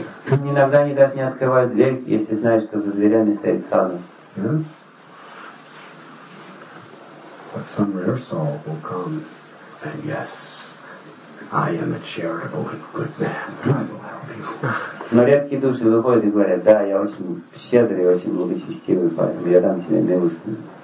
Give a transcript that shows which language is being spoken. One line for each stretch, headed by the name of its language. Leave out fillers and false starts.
Russian: Иногда они даже не открывают дверь, если знают, что за дверями стоит садху.
English: But some rare soul will come, and yes, I am a charitable and good man, I will help you.
Russian: Но редкие души выходят и говорят, да, я очень щедрый, очень благочестивый, поэтому я дам тебе милостыню.